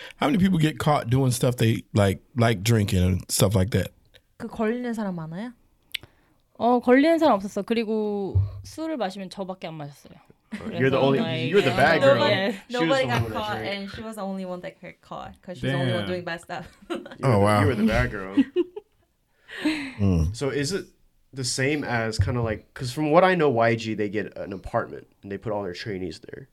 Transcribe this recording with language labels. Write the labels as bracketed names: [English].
[English] How many people get caught doing stuff they like drinking and stuff like that? [Korean] 그 걸리는 사람 많아요? 걸리는 사람 없었어. 그리고 술을 마시면 저밖에 안 마셨어요. [English] You're the only... You're the bad girl. Nobody got caught, and she was the only one that got caught because she's the only one doing bad stuff. Oh, wow. You were the bad girl. So is it the same as kind of like, because from what I know, YG, they get an apartment and they put all their trainees there.